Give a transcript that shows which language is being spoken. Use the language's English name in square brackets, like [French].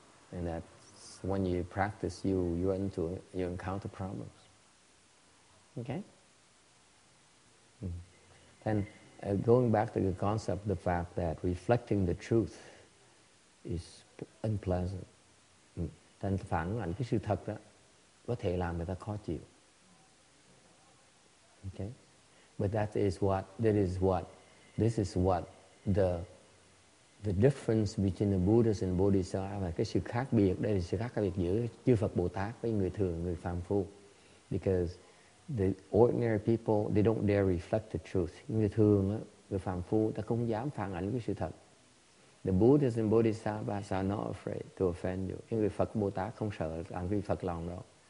[English] And that when you practice, you encounter problems. Okay? Then going back to the concept, the fact that reflecting the truth is unpleasant. [Vietnamese] Thành phản ảnh cái sự thật đó có thể làm người ta khó chịu. [English] Okay. But that is what, that is what, this is what the difference between the Buddhas and Bodhisattva, [Vietnamese] và cái sự khác biệt, đây là sự khác biệt giữa chư Phật Bồ Tát với người thường, người phàm phu. [English] Because the ordinary people, they don't dare reflect the truth. [Vietnamese] Người thường, người phàm phu, ta không dám phản ảnh cái sự thật. [English] The Buddhas and Bodhisattvas are not afraid to offend you. [Vietnamese] Cái người Phật Bồ Tát không sợ làm vì Phật lòng đâu.